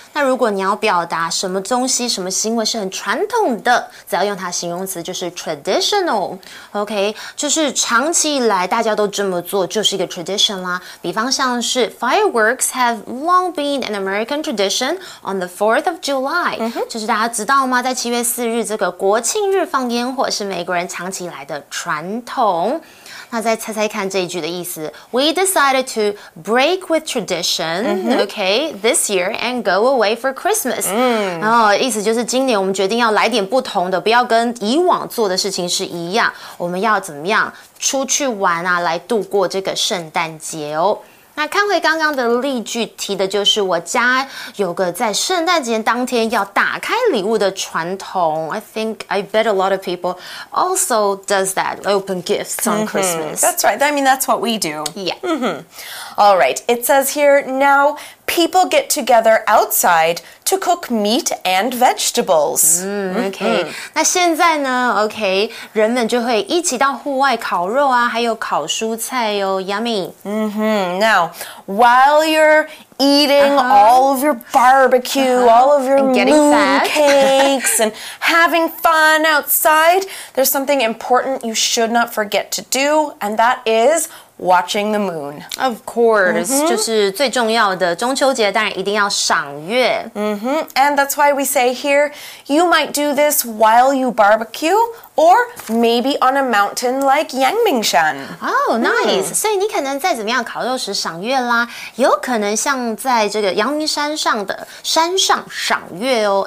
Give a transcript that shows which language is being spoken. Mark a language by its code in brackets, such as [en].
[zh] 那如果你要表达什么东西、什么行为是很传统的，只要用它形容词，就是 traditional. OK, 就是长期以来大家都这么做，就是一个 tradition 啦。比方像是 [en] fireworks have long been an American tradition on the 4th of July.、Mm-hmm. [zh] 就是大家知道吗？在7月4日这个国庆日放烟火是美国人长期以来的传统。那再猜猜看这一句的意思。 [en] We decided to break with tradition,、mm-hmm. okay, this year and go away for Christmas.、Mm. [zh] 意思就是今年我们决定要来点不同的，不要跟以往做的事情是一样。我们要怎么样出去玩啊，来度过这个圣诞节哦。那看回刚刚的例句提的就是我家有个在圣诞节当天要打开礼物的传统。 [en] I think, I bet a lot of people also does that, open gifts on Christmas.、Mm-hmm. That's right. I mean, that's what we do. Yeah.、 Mm-hmm. All right. It says here, now people get together outside to cook meat and vegetables.、 [zh] Mm-hmm. Okay. 那现在呢 okay, 人们就会一起到户外烤肉啊还有烤蔬菜哦 yummy.、 [en] Mm-hmm. Now, while you're eating、uh-huh. all of your barbecue,、uh-huh. all of your mooncakes, and having fun outside, there's something important you should not forget to do, and that is... Watching the moon. Of course,、 [zh] mm-hmm. 就是最重要的中秋节当然一定要赏月、 mm-hmm. [en] And that's why we say here, you might do this while you barbecue, or maybe on a mountain like Yangmingshan. Oh, nice.、 [zh] Mm. 所以你可能在怎么样烤肉时赏月啦，有可能像在这个阳明山上的山上赏月哦。